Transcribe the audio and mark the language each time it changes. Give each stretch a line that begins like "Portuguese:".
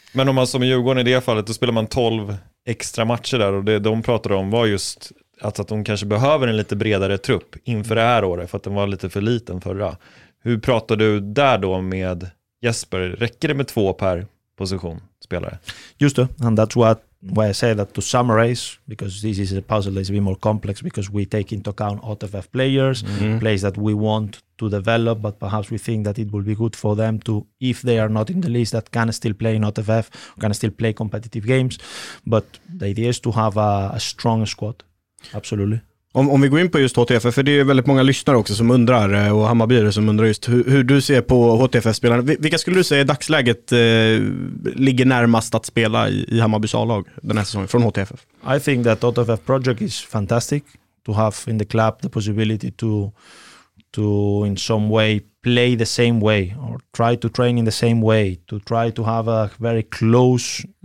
Swedish: Men om man som Djurgården i det fallet, då spelar man 12 extra matcher där. Och det de pratade om var just att de kanske behöver en lite bredare trupp inför det här året. För att den var lite för liten förra. Hur pratar du där då med Jesper? Räcker det med 2 per position spelare? Just det,
English: and that's what. Why I say that to summarize, because this is a puzzle that is a bit more complex because we take into account OTFF players, players that we want to develop, but perhaps we think that it will be good for them to, if they are not in the list, that can still play in OTFF, can still play competitive games. But the idea is to have a strong squad, absolutely.
Swedish: Om vi går in på just HTF, för det är väldigt många lyssnare också som undrar, och Hammarbyare som undrar just hur du ser på HTF-spelarna. Vilka skulle du säga i dagsläget ligger närmast att spela i Hammarbys A-lag den här säsongen från HTF?
English: I think that HTF project is fantastic to have in the club the possibility to in some way play the same way or try to train in the same way, to try to have a very close